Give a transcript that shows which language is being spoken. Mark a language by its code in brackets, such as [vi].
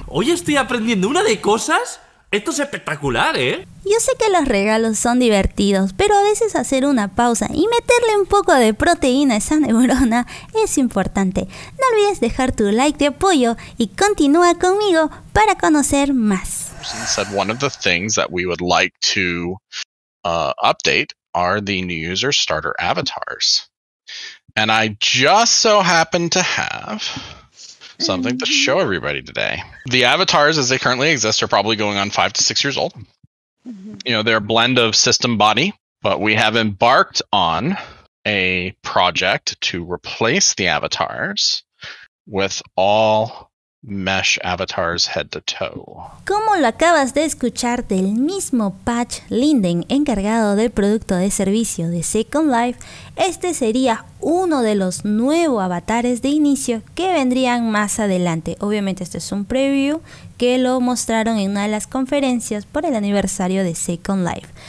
[es] Hoy estoy aprendiendo una de cosas. Esto es espectacular, ¿eh? Yo sé que los regalos son divertidos, pero a veces hacer una pausa y meterle un poco de proteína a esa neurona es importante. No olvides dejar tu like de apoyo y continúa conmigo para conocer más. [en] Said one of the things that we would like to update are the new user starter avatars. And I just so happen to have something to show everybody today. The avatars as they currently exist are probably going on 5 to 6 years old. You know, they're a blend of system body, but we have embarked on a project to replace the avatars with all mesh avatars head to toe. [es] Como lo acabas de escuchar del mismo Patch Linden, encargado del producto de servicio de Second Life, este sería uno de los nuevos avatares de inicio que vendrían más adelante. Obviamente esto es un preview que lo mostraron en una de las conferencias por el aniversario de Second Life.